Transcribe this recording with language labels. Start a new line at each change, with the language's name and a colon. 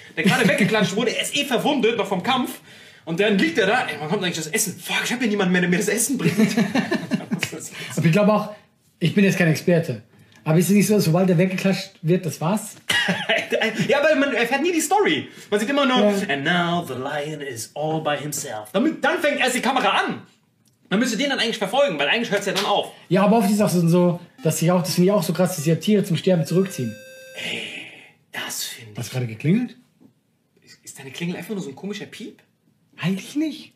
German: Der gerade weggeklatscht wurde, er ist eh verwundet, noch vom Kampf. Und dann liegt er da, ey, wann kommt eigentlich das Essen? Fuck, ich hab ja niemanden mehr, der mir das Essen bringt. Aber ich glaube auch, ich bin jetzt kein Experte, Aber ist es nicht so, sobald er weggeklatscht wird, das war's? Ja, aber man erfährt nie die Story. Man sieht immer nur, ja.
English: And now the lion is all by himself.
German: Dann fängt erst die Kamera an. Man müsste den dann eigentlich verfolgen, weil eigentlich hört es ja dann auf. Ja, aber oft ist es auch so, dass sie auch, das finde ich auch so krass, dass sie Tiere zum Sterben zurückziehen. Ey, das finde ich... Hast du gerade geklingelt? Ist deine Klingel einfach nur so ein komischer Piep? Eigentlich nicht.